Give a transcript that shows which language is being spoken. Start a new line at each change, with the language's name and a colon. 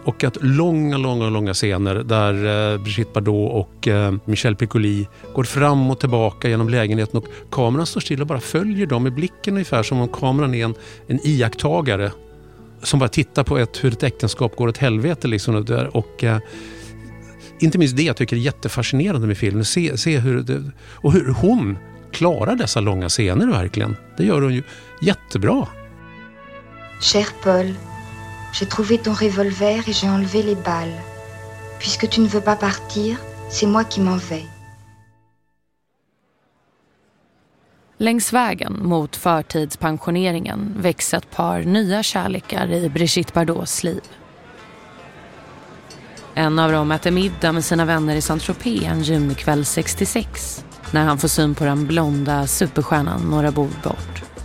Swedish: Och att långa scener där Brigitte Bardot och Michel Piccoli går fram och tillbaka genom lägenheten och kameran står still och bara följer dem i blicken ungefär som om kameran är en iakttagare. som bara tittar på ett, hur ett äktenskap går åt helvete liksom, och där, och inte minst det jag tycker är jättefascinerande med filmen, se hur det, och hur hon klarar dessa långa scener verkligen. Det gör hon ju jättebra.
French: Cher Paul, j'ai trouvé ton revolver et j'ai enlevé les balles. Puisque tu ne veux pas partir, c'est moi qui m'en vais.
Swedish: Längs vägen mot förtidspensioneringen växer ett par nya kärlekar i Brigitte Bardots liv. En av dem äter middag med sina vänner i Saint-Tropez en junikväll 66 när han får syn på den blonda superstjärnan några bord bort.